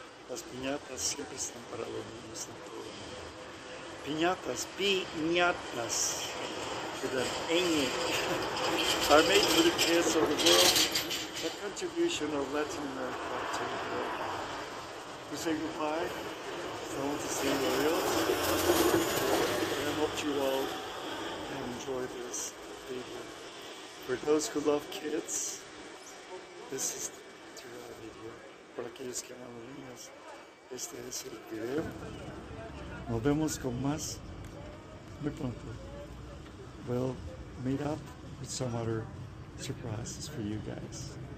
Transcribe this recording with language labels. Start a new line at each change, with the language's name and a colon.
Spanish: Las piñatas siempre están para los niños en todo el mundo.
English: Piñatas, piñatas, with an ñ, are made for the kids of the world. The contribution of Latin America to the world. We say goodbye. I want to see you real. And I hope you all enjoy this video. For those who love kids, this is the video.
Spanish: For aquellos que aman niños, este es el video. Nos vemos con más muy pronto.
English: We'll meet up with some other surprises for you guys.